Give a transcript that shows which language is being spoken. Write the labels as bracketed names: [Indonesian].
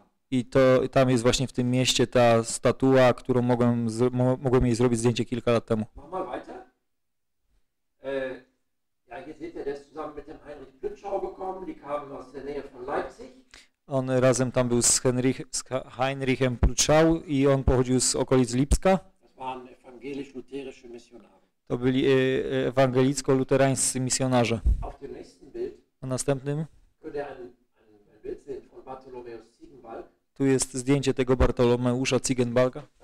[Polish] I to tam jest właśnie w tym mieście ta statua, którą mogłem jej zrobić zdjęcie kilka lat temu. [German] Mach mal weiter. Ja, hier seht ihr, das ist Zuschauer bekommen, die kamen aus der Nähe von Leipzig. [Polish] On razem tam był z Heinrichem Pluchau i on pochodził z okolic Lipska. [German] Das waren evangelisch-lutherische Missionare. [Polish] To byli ewangelicko-luterańscy misjonarze. [German] Auf dem nächsten Bild. [Polish] Na następnym. [German] Könnt ihr ein Bild sehen von Bartholomäus Ziegenbalg? [Polish] Tu jest zdjęcie tego Bartolomeusza Ziegenbalga.